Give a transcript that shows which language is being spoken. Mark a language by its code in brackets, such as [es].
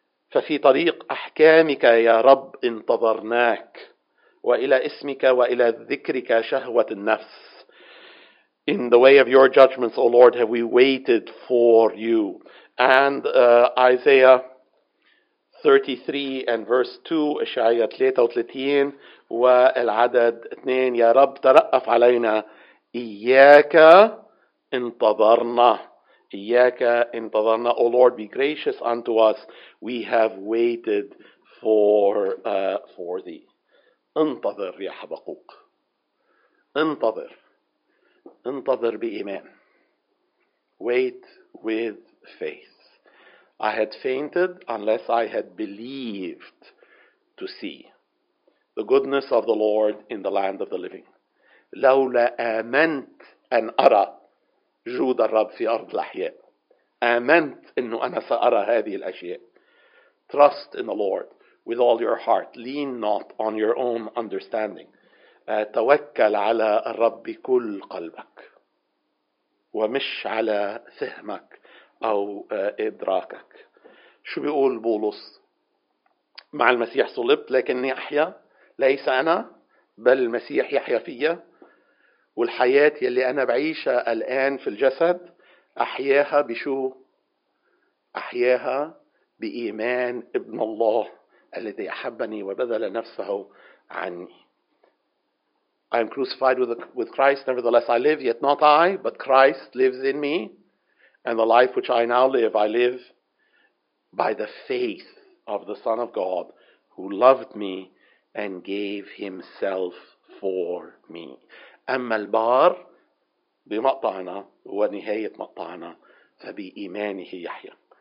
[ar] ففي طريق أحكامك يا رب انتظرناك وإلى اسمك وإلى ذكرك شهوة النفس. [en] In the way of your judgments, O Lord, have we waited for you. And Isaiah 33 and verse 2, [ar] إشعياء 33 والعدد 2, يا رب ترأف علينا إياك انتظرنا إياك انتظرنا. [en] O Lord, be gracious unto us. We have waited for thee. [ar] انتظر يا حبقوق. انتظر. انتظر بإيمان. [en] Wait with faith. I had fainted unless I had believed to see the goodness of the Lord in the land of the living. [ar] لولا آمنت أن أرى جود الرب في أرض الأحياء. آمنت أنه أنا سأرى هذه الأشياء. [en] Trust in the Lord with all your heart. Lean not on your own understanding. [ar] توكل على الرب بكل قلبك ومش على فهمك أو إدراكك. شو بيقول بولس؟ مع المسيح صلبت لكني أحيا، ليس أنا بل المسيح يحيا فيا، والحياة يلي أنا بعيشها الآن في الجسد أحياها بشو؟ أحياها بإيمان ابن الله الذي أحبني وبذل نفسه عني. [en] I am crucified with Christ, nevertheless I live, yet not I, but Christ lives in me, and the life which I now live, I live by the faith of the Son of God, who loved me and gave himself for me. [ar] أما البار بمقطعنا ونهاية مقطعنا فبإيمانه يحيى.